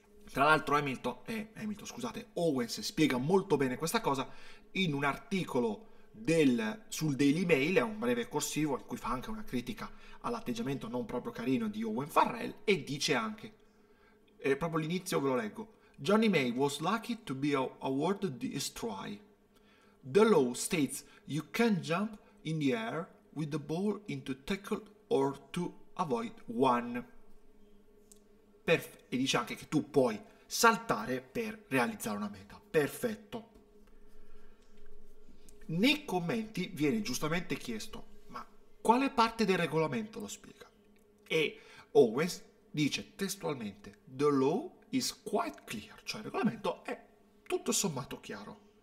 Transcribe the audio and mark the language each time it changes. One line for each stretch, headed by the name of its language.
Italian: Tra l'altro scusate, Owens spiega molto bene questa cosa in un articolo sul Daily Mail, è un breve corsivo in cui fa anche una critica all'atteggiamento non proprio carino di Owen Farrell e dice anche, proprio all'inizio ve lo leggo,
English: Johnny May was lucky to be awarded this try. The law states you can jump in the air with the ball into tackle or to avoid one.
Italian: E dice anche che tu puoi saltare per realizzare una meta. Perfetto. Nei commenti viene giustamente chiesto, ma quale parte del regolamento lo spiega? E Owens dice testualmente,
English: The law is quite clear,
Italian: cioè il regolamento è tutto sommato chiaro.